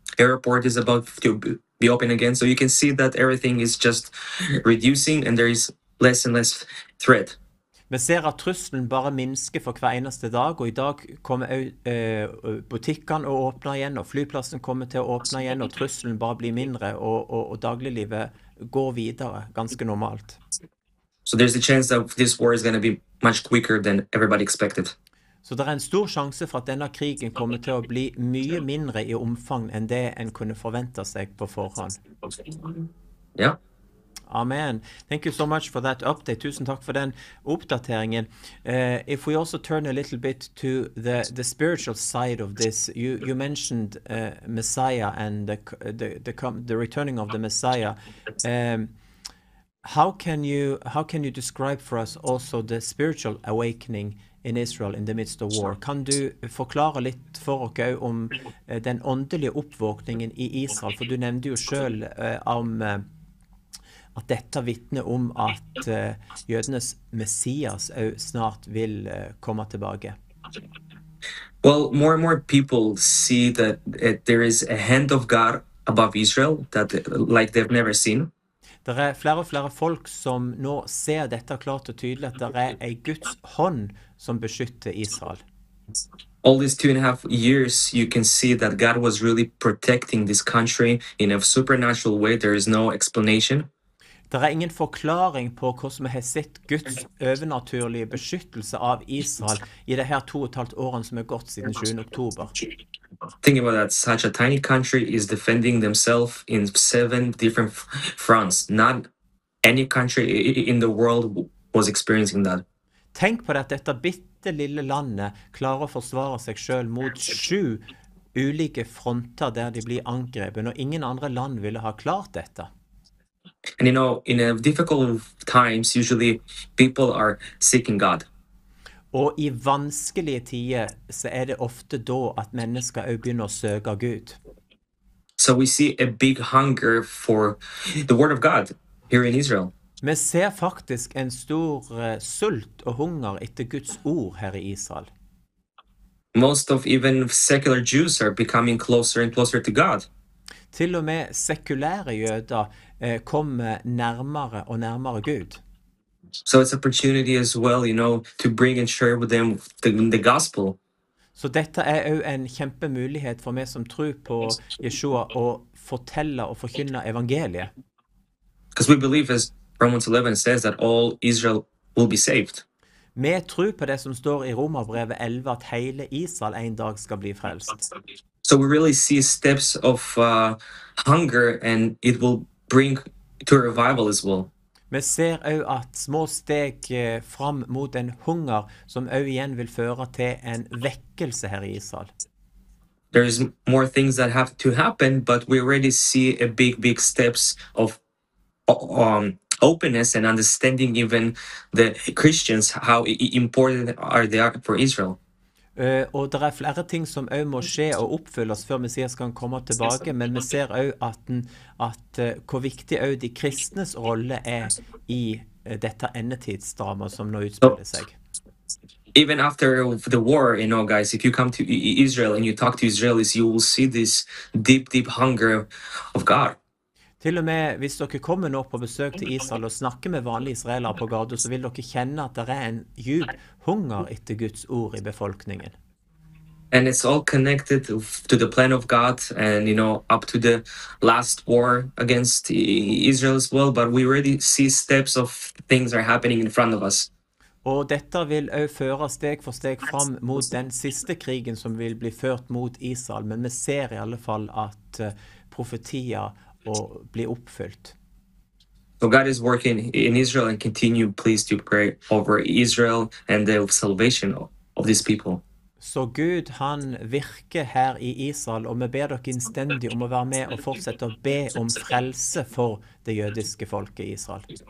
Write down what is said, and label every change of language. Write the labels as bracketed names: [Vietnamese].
[English] Airport is about to be open again. So you can see that everything is just reducing and there is less and less threat. [Norwegian] Vi ser at trusselen bare minsker for hver eneste dag, og i dag kommer butikkene å åpne igjen, og flyplassen kommer til å åpne igjen, og trusselen bare blir mindre, og dagliglivet går videre ganske normalt. [English] So there's a chance that this war is going to be much quicker than everybody expected. [Norwegian] Så det en stor sjanse for at denne krigen kommer til å bli mye mindre i omfang enn det en kunne forvente seg på forhånd. [English] Yeah. Amen. Thank you so much for that update. [Norwegian] Tusen takk for den oppdateringen. [English] If we also turn a little bit to the spiritual side of this, you mentioned Messiah and the returning of the Messiah. How can you describe for us also the spiritual awakening in Israel in the midst of war? [Norwegian] Kan du forklare litt for oss om den åndelige oppvåkningen i Israel? For du nevnte jo selv om at dette vitner om at jødenes messias snart vil komme tilbake. [English] Well, more and more people see that there is a hand of God above Israel that like they've never seen. [Norwegian] Det er flere og flere folk som nå ser dette klart og tydelig, at det er en Guds hånd som beskytter Israel. [English] All these 2.5 years, you can see that God was really protecting this country in a supernatural way. There is no explanation. [Norwegian] Det er ingen forklaring på hvordan vi har sett Guds overnaturlige beskyttelse av Israel i de her 2.5 årene som er gått siden 7. oktober. [English] Think about that. Such a tiny country is defending themselves in 7 different fronts. Not any country in the world was experiencing that. [Norwegian] Tenk på det at dette bitte lille landet klarer å forsvare seg selv mot 7 ulike fronter der de blir angrepet, og ingen andre land ville ha klart dette. [English] And you know, in a difficult times, usually people are seeking God. [Norwegian] Og i vanskelige tider så er det ofte da at mennesker også begynner å søke Gud. [English] So we see a big hunger for the word of God here in Israel. [Norwegian] Vi ser faktisk en stor sult og hunger etter Guds ord her i Israel. [English] Most of even secular Jews are becoming closer and closer to God. [Norwegian] Til og med sekulære jøder kommer nærmere og nærmere Gud. [English] So it's an opportunity as well, you know, to bring and share with them the gospel. [Norwegian] Så dette er jo en kjempemulighet for meg som tror på Yeshua å fortelle og forkynne evangeliet. [English] Because we believe, as Romans 11 says, that all Israel will be saved. [Norwegian] Vi tror på det som står i Romerbrevet 11, at hele Israel en dag skal bli frelst. [English] So we really see steps of hunger, and it will bring to a revival as well. [Norwegian] Vi ser også at små steg fram mot en hunger som også igjen vil føre til en vekkelse her i Israel. [English] There is more things that have to happen, but we already see a big, big steps of openness and understanding even the Christians, how important they are for Israel. [Norwegian] Og det er flere ting som også må skje og oppfylles før Messias kan komme tilbake, men vi ser også at hvor viktig også de kristnes rolle er i dette endetidsdrama som nå utspiller seg. [English] Even after the war, you know, guys, if you come to Israel and you talk to Israelis, you will see this deep, deep hunger of God. [Norwegian] Til og med hvis dere kommer nå på besøk til Israel og snakker med vanlige israelere på gata, så vil dere kjenne at det er en djup hunger etter Guds ord i befolkningen. [English] And it's all connected to the plan of God and, you know, up to the last war against Israel as well, but we already see steps of things are happening in front of us. [Norwegian] Og dette vil også føre steg for steg fram mot den siste krigen som vil bli ført mot Israel, men vi ser i alle fall at profetier og bli oppfylt. [English] So God is working in Israel and continue, please, to pray over Israel and the salvation of these people. [Norwegian] Så Gud, han virker her i Israel, og vi ber dere innstendig om å være med og fortsette å be om frelse for det jødiske folket i Israel.